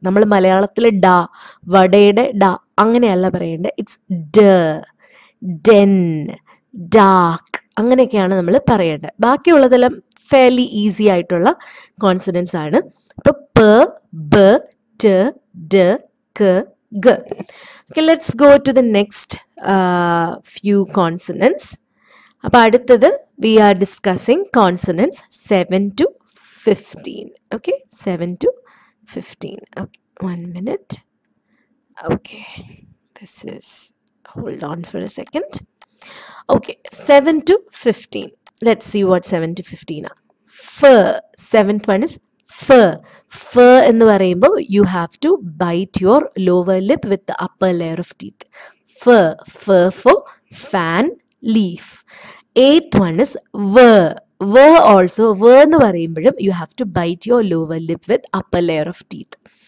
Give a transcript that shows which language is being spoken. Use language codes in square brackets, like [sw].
[ml] നമ്മൾ മലയാളത്തിലെ ഡ, വടയുടെ ഡ, അങ്ങനെയല്ല പറയേണ്ടത്. ഇറ്റ്സ് ഡ, ഡെൻ, ഡാക്ക്, അങ്ങനെയൊക്കെയാണ് നമ്മൾ പറയേണ്ടത്. ബാക്കിയുള്ളതെല്ലാം ഫെയർലി ഈസി ആയിട്ടുള്ള കോൺസണന്റ്സ് ആണ്. അപ്പോൾ പ, ബ, ട, ഡ, ക, ഗ. [en] Okay, let's go to the next few consonants. [ml] Appa adutathu [en] we are discussing consonants 7 to 15. Okay, 7 to 15. Okay, 1 minute. Okay, this is, hold on for a second. Okay, 7 to 15, let's see what 7 to 15 are. F, seventh one is [ml] ഫ എന്ന് പറയുമ്പോൾ [en] You have to bite your lower lip with upper layer of teeth. ഫ ഫ for fan leaf. Eighth one is വ. വ also വ [ml] എന്ന് പറയുമ്പോഴും [en] You have to bite your lower lip with upper layer of teeth.